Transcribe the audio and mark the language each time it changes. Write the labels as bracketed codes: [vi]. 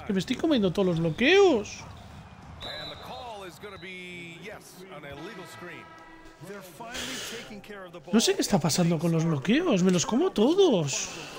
[es] Es que me estoy comiendo todos los bloqueos. [en] And the call is going to be yes, an illegal screen. They're finally taking care of the ball. [es] No sé qué está pasando con los bloqueos, me los como todos.